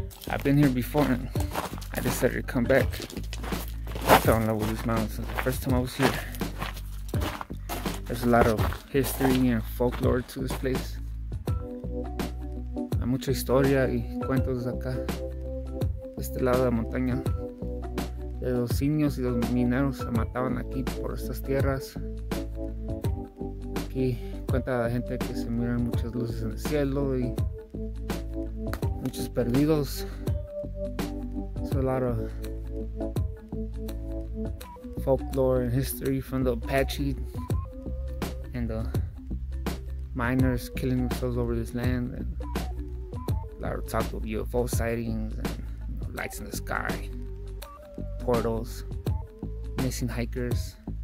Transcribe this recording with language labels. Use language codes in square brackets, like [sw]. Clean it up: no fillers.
[en] I've been here before and I decided to come back. I fell in love with these mountains since the first time I was here. There's a lot of history and folklore to this place. [es] Mucha historia y cuentos acá, de este lado de la montaña, de los indios y los mineros se mataban aquí por estas tierras. Aquí cuenta la gente que se miran muchas luces en el cielo y muchos perdidos. [en] It's a lot of folklore and history from the Apache and the miners killing themselves over this land. And a lot of talk of UFO sightings and, you know, lights in the sky, portals, missing hikers.